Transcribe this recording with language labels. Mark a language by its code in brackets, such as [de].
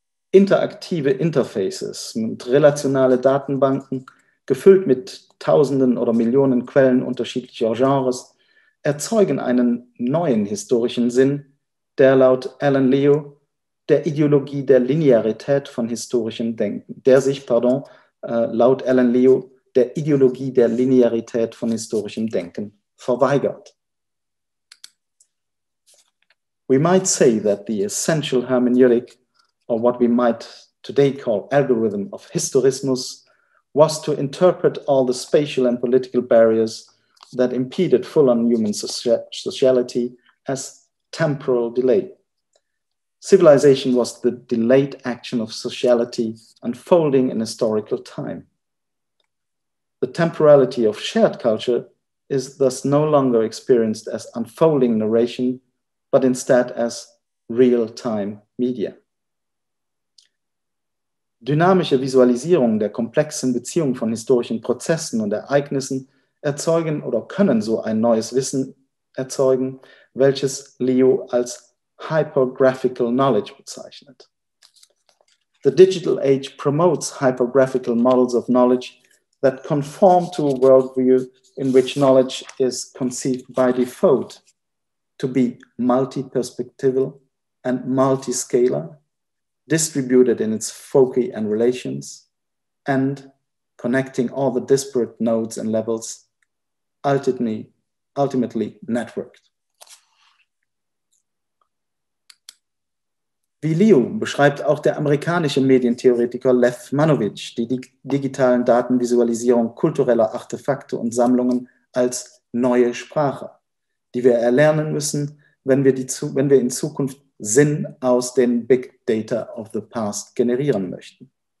[de] Interaktive Interfaces und relationale Datenbanken, gefüllt mit tausenden oder Millionen Quellen unterschiedlicher Genres, erzeugen einen neuen historischen Sinn, der laut Alan Leo der Ideologie der Linearität von historischem Denken, verweigert. [en] We might say that the essential hermeneutic, or what we might today call algorithm of historismus, was to interpret all the spatial and political barriers that impeded full-on human sociality as temporal delay. Civilization was the delayed action of sociality unfolding in historical time. The temporality of shared culture is thus no longer experienced as unfolding narration, but instead as real-time media. [de] Dynamische Visualisierungen der komplexen Beziehung von historischen Prozessen und Ereignissen erzeugen oder können so ein neues Wissen erzeugen, welches Leo als hypergraphical knowledge bezeichnet. [en] The digital age promotes hypergraphical models of knowledge that conform to a worldview in which knowledge is conceived by default to be multi-perspectival and multi-scalar, distributed in its foci and relations, and connecting all the disparate nodes and levels, ultimately networked. [de] Wie Leo beschreibt auch der amerikanische Medientheoretiker Lev Manovich die digitalen Datenvisualisierung kultureller Artefakte und Sammlungen als neue Sprache, die wir erlernen müssen, wenn wir in Zukunft Sinn aus den Big Data of the Past generieren möchten.